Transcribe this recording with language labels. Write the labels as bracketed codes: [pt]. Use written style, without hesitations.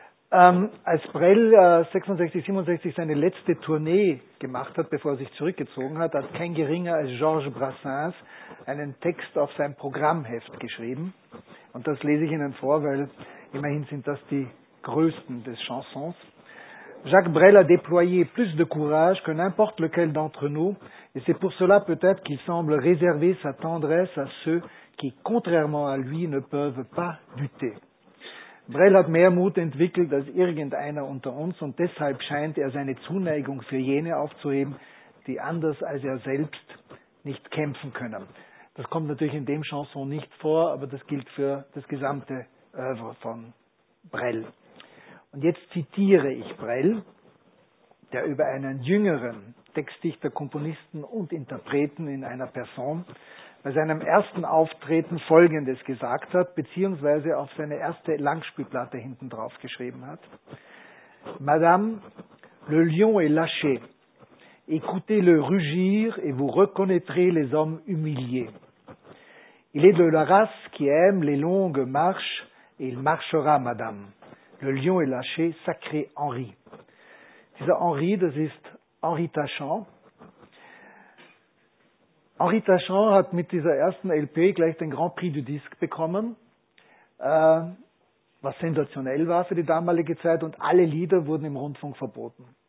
[de] Als Brel 66, 67 seine letzte Tournee gemacht hat, bevor er sich zurückgezogen hat, hat kein geringer als Georges Brassens einen Text auf sein Programmheft geschrieben. Und das lese ich Ihnen vor, weil immerhin sind das die größten des Chansons. [fr] Jacques Brel a déployé plus de courage que n'importe lequel d'entre nous, et c'est pour cela peut-être qu'il semble réserver sa tendresse à ceux qui, contrairement à lui, ne peuvent pas lutter. [de] Brel hat mehr Mut entwickelt als irgendeiner unter uns, und deshalb scheint er seine Zuneigung für jene aufzuheben, die anders als er selbst nicht kämpfen können. Das kommt natürlich in dem Chanson nicht vor, aber das gilt für das gesamte Oeuvre von Brel. Und jetzt zitiere ich Brel, der über einen jüngeren Textdichter, Komponisten und Interpreten in einer Person bei seinem ersten Auftreten Folgendes gesagt hat, beziehungsweise auf seine erste Langspielplatte hinten drauf geschrieben hat. [fr] Madame, le lion est lâché. Écoutez le rugir et vous reconnaîtrez les hommes humiliés. Il est de la race qui aime les longues marches et il marchera, madame. Le lion est lâché, sacré Henri. [de] Dieser Henri, das ist Henri Tachant. Henri Tachant hat mit dieser ersten LP gleich den Grand Prix du Disque bekommen, was sensationell war für die damalige Zeit, und alle Lieder wurden im Rundfunk verboten.